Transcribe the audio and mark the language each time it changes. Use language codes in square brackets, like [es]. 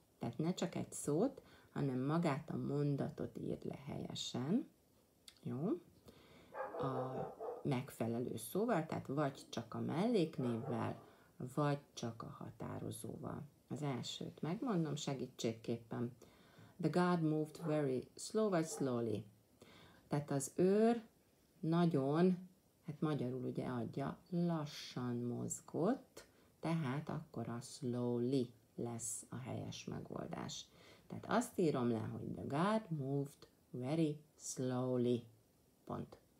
[hu] Tehát ne csak egy szót, hanem magát a mondatot írd le helyesen. Jó? A megfelelő szóval, tehát vagy csak a melléknévvel, vagy csak a határozóval. Az elsőt megmondom segítségképpen. [en] The guard moved very slow, vagy slowly. [hu] Tehát az őr nagyon, hát magyarul ugye adja, lassan mozgott, tehát akkor a slowly lesz a helyes megoldás. Tehát azt írom le, hogy [en] the guard moved very slowly. [hu] Pont.